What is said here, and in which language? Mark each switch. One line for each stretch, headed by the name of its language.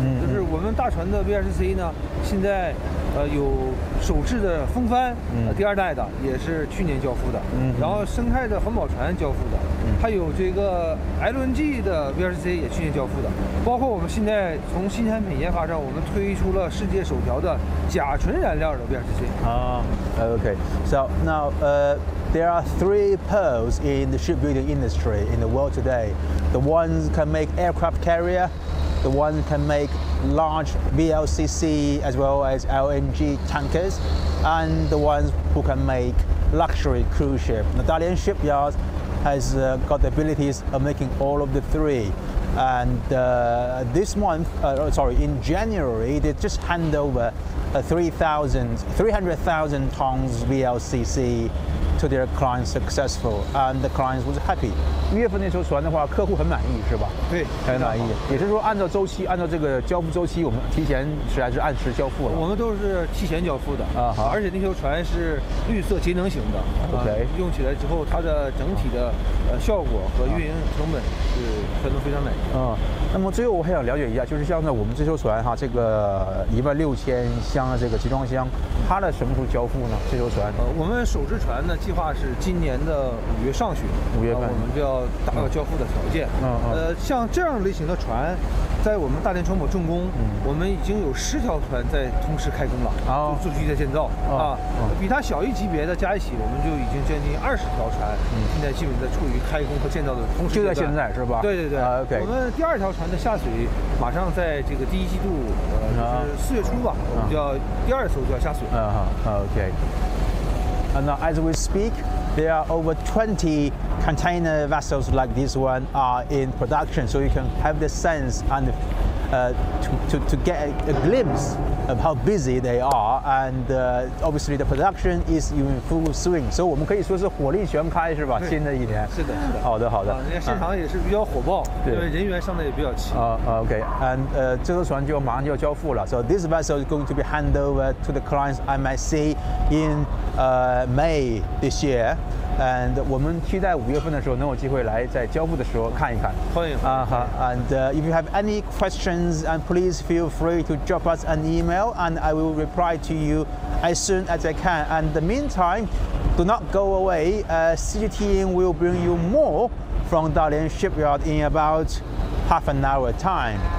Chinese: 就是我们大船的 VLCC 呢，现在有首次的风帆，第二代的也是去年交付的。然后生态的环保船交付的，还有这个 LNG 的 VLCC 也去年交付的。包括我们现在从新产品研发上，我们推出了世界首条的甲醇燃料的 VLCC 啊。
English: Okay, so now there are three pearls in the shipbuilding industry in the world today. The ones can make aircraft carrier, the ones can make large VLCC as well as LNG tankers, and the ones who can make luxury cruise ship. The Dalian shipyard has got the abilities of making all of the three. And in January, they just hand over 300,000 tons VLCC to their clients successful and the clients was happy.
Chinese: 一月份那艘船的话，客户很满意，是吧？对，很满意。也是说，按照周期，按照这个交付周期，我们提前实在是按时交付了。我们都是提前交付的啊，好。而且那艘船是绿色节能型的
English: ，OK，
Chinese: 用起来之后，它的整体的效果和运营成本是全都非常满意。那么最后我还想了解一下，就是像在我们这艘船哈，这个16000箱的这个集装箱，它的什么时候交付呢？这艘船？我们首只船的计划是今年的5月上旬， 5月份，我们就要达到交付的条件。像这样类型的船，在我们大连船舶重工，我们已经有10条船在同时开工了，就陆续在建造。比它小一级别的加一起，我们就已经将近20条船，现在基本在处于开工和建造的同时。就在现在是吧？对对对。
English: Okay.
Chinese: 我们第2条船的下水，马上在这个第一季度，就是4月初吧，我们就要第二艘就要下水。
English: OK。 And now as we speak, there are over 20 container vessels like this one are in production, so you can have the sense and to get a glimpse of how busy they are. And obviously the production is in full swing. So we can say it's
Chinese: 火力全开是吧？新的一年。是的，是的。好的，好的。现场也是比较火爆，因为人员上的也比较齐。
English: OK. And
Chinese: 这艘船就马上就要交付了。
English: So this vessel is going to be handed over to the clients MSC in May this year.
Chinese: And 我们期待五月份的时候能有机会来在交付的时候看一看。欢迎。
English: And if you have any questions, and please feel free to drop us an email, and I will reply to you as soon as I can. And in the meantime, do not go away. CGTN will bring you more from Dalian Shipyard in about half an hour time.